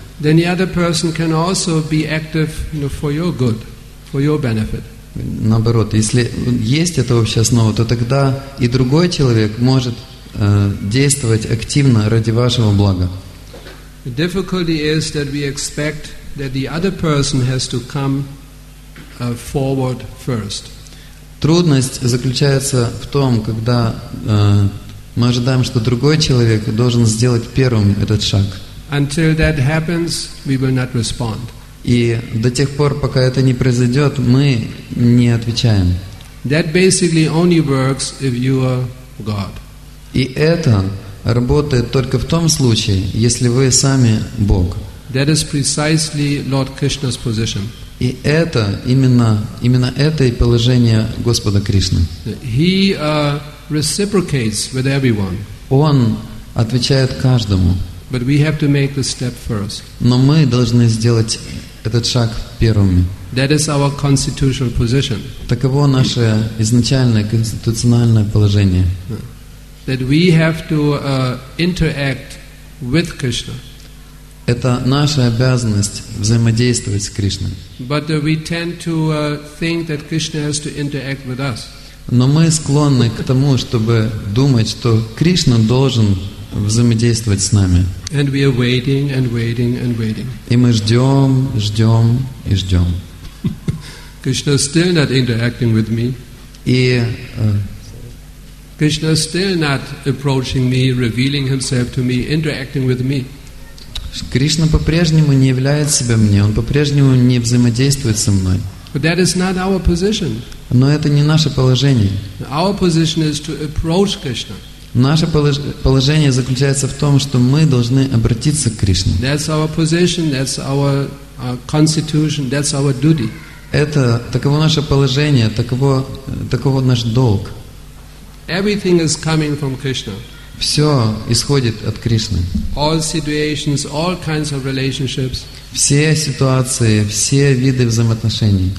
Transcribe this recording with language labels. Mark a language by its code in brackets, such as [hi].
[en] then the other person can also be active, you know, for your good, for your benefit. [ru] Наоборот, если есть эта общая основа, то тогда и другой человек может действовать активно ради вашего блага. [en] The difficulty is that we expect that the other person has to come forward first. [ru] Трудность заключается в том, когда мы ожидаем, что другой человек должен сделать первым этот шаг. [en] Until that happens, we will not respond. [ru] И до тех пор, пока это не произойдет, мы не отвечаем. [en] That basically only works if you are God. [ru] И это работает только в том случае, если вы сами Бог. [en] That is precisely Lord Krishna's position. [ru] И это именно это и положение Господа Кришны. [en] He reciprocates with everyone. [ru] Он отвечает каждому. [en] But we have to make the step first. [ru] Но мы должны сделать этот шаг первыми. [en] That is our constitutional position. [ru] Таково наше изначальное конституциональное положение. [en] That we have to interact with Krishna. [ru] Это наша обязанность взаимодействовать с Кришной. [en] But we tend to think that Krishna has to interact with us. [ru] Но мы склонны к тому, чтобы думать, что Кришна должен взаимодействовать с нами. [en] And we are waiting and waiting and waiting. [ru] И мы ждем, ждем и ждем. [en] Krishna is still not interacting with me. [ru] И [en] Krishna is still not approaching me, revealing himself to me, interacting with me. [ru] Кришна по-прежнему не являет себя мне, он по-прежнему не взаимодействует со мной. [en] But that is not our position. [ru] Но это не наше положение. [en] Our position is to approach Krishna. [ru] Наше положение заключается в том, что мы должны обратиться к Кришне. [en] That's our position, that's our constitution, that's our duty. [ru] Это таково наше положение, таково наш долг. [en] Everything is coming from Krishna. [ru] Все исходит от Кришны. [en] All situations, all kinds of relationships. [ru] Все ситуации, все виды взаимоотношений.